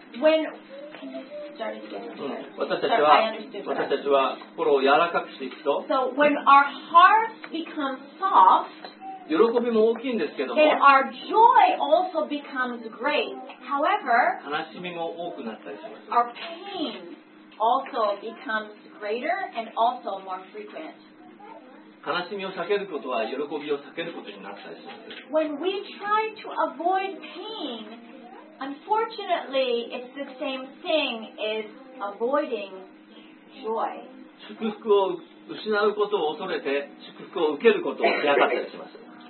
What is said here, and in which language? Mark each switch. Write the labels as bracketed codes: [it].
[en] When [ja] 私たちは心を柔らかくしていくと、 [en] so when our hearts become soft, [ja] 喜びも大きいんですけども、 [en] then our joy also becomes great. However, [ja] 悲しみも多くなったりします。 [en] Our pain also becomes greater and also more frequent. [ja] 悲しみを避けることは喜びを避けることになったりします。 [en] When we try to avoid pain, unfortunately, it's the same thing as avoiding joy. [ja] 祝福を失うことを恐れて祝福を受けることを嫌がったりします。